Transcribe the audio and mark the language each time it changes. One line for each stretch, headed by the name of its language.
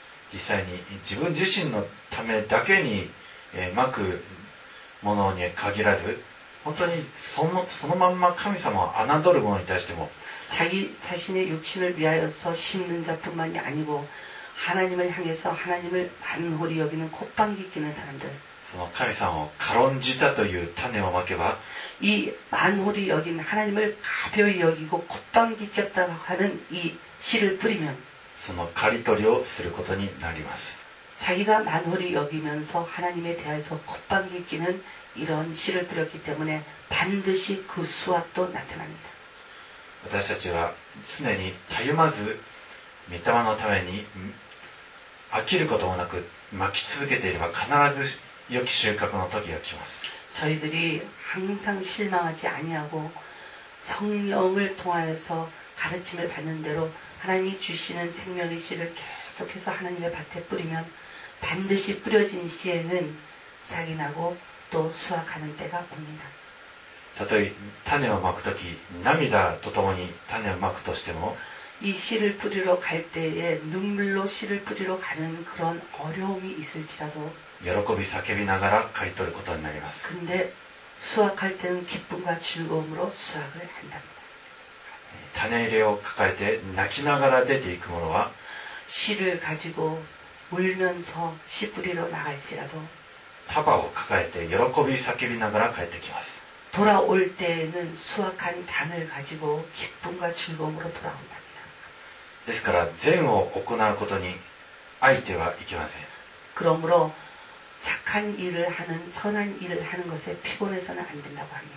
Japanese: 実際に自分自身のためだけにまくものに限らず本当にそのまんま神様を侮るものに対しても
Korean: 자기자신의육신을위하여서심는자뿐만이아니고하나님을향해서하나님을만홀이여기는콧방귀끼는사람들
Japanese: その神様を軽んじたという種をまけば
Korean: 이만홀이여긴하나님을가벼이여기고콧방귀꼈다고하는이씨를뿌리면
Japanese: その刈り取りをすることになります。
Korean: 자기가만홀이여기면서하나님에대해서콧방귀끼는이런씨를뿌렸기때문에반드시그수확도나타납니다
Japanese: 私たちは常にたゆまず御霊のために飽きることもなくまき続けていれば必ず良き収穫の時が来ます。
Korean: 저희들이항상실망하지아니하고성령을통하여서가르침을받는대로하나님이주시는생명의씨를계속해서하나님의밭에뿌리면반드시뿌려진씨에는삭인하고또수확하는때가옵니다
Japanese: たとえ種をまくとき涙とともに種をまくとしても
Korean: 이씨를뿌리러갈때에눈물로씨를뿌리러가는그런어려움이있을지라도
Japanese: 喜び叫びながら刈り取ることになります。
Korean: 근데수확할때는기쁨과즐거움으로수확을한답니다。
Japanese: 種入れを抱えて泣きながら出ていく者は
Korean: 씨를가지고울면서씨뿌리러나갈지라도
Japanese: 束を抱えて喜び叫びながら帰ってきます。
Korean: 돌아올때에는수확한단을가지고기쁨과즐거움으로돌아온답니다。
Japanese: ですから善を行うことに相手はいけません。
Korean: 그러므로착한일을하는선한일을하는것에피곤해서는안된다고합니다。